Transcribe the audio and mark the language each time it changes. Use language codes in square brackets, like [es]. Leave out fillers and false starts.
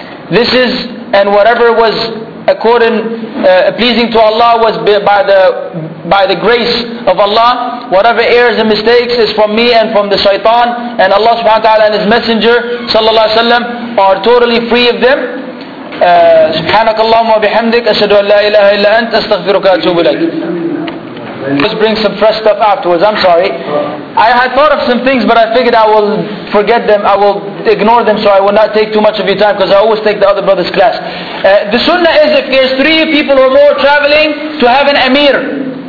[en] This is, and whatever was according pleasing to Allah was by the grace of Allah. Whatever errors and mistakes is from me and from the shaitan, and Allah subhanahu wa ta'ala and His Messenger sallallahu alaihi wasallam are totally free of them. [ar] سبحانك اللهم وبحمدك أشهد أن لا إله إلا أنت أستغفرك وأتوب إليك. [en] Let's bring some fresh stuff afterwards. I'm sorry. I had thought of some things, but I figured I will forget them. I will ignore them, so I will not take too much of your time, because I always take the other brother's class. The sunnah is, if there's three people or more traveling, to have an emir.